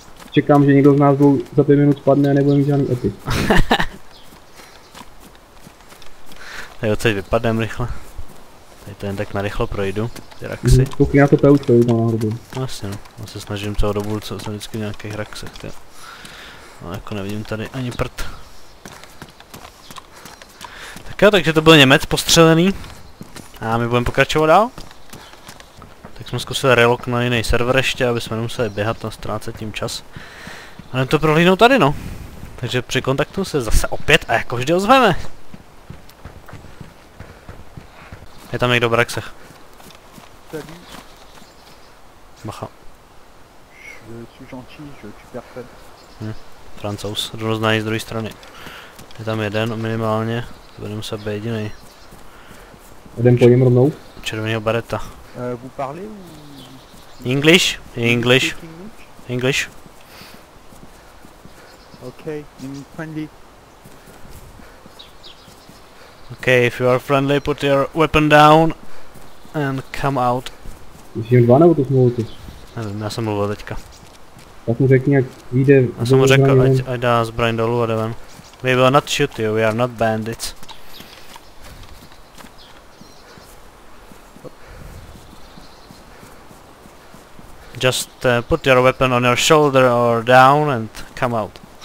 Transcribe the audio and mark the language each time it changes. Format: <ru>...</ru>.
<cs>Čekám, že někdo z nás dvou za 5 minut spadne a nebude mít žádný epic. Tady odsaď vypadnem rychle. Tady to jen tak narychlo projdu, ty raxy. Koukej na to peučko, jdu na hrubu. Vlastně no, já se snažím celou dobu, co jsem vždycky v nějakých raxech, ty. No jako nevidím tady ani prd. Tak jo, takže to byl Němec postřelený. A my budeme pokračovat dál. Tak jsme zkusili relok na jiný server ještě, aby jsme nemuseli běhat a ztrácet tím čas. A jdem to prohlídnout tady no. Takže při kontaktu se zase opět a jako vždy ozveme. Je tam někdo v raxech. Tady. Bacha.</cs> <fr>Je suis gentil, je suis parfait.</fr> <cs>Francouz, rozdání z druhé strany. Je tam jeden minimálně, to bude muset být jediný. Jdem po něm rovnou. Červenýho bareta.</cs> <fr>Vous parlez ou...</fr> <en>English? English. English. Ok, I'm friendly. Okay, if you are friendly, put your weapon down and come out.</en> <cs>Jsi jen dva nebo to smluvil ty? Nevím, já jsem mluvil teďka. Tak mu řekni, jak vyjde... Já jsem mu řekl, ať dá zbraň dolů a jde ven.</cs> <en>We will not shoot you, we are not bandits. Just put your weapon on your shoulder or down and come out.</en>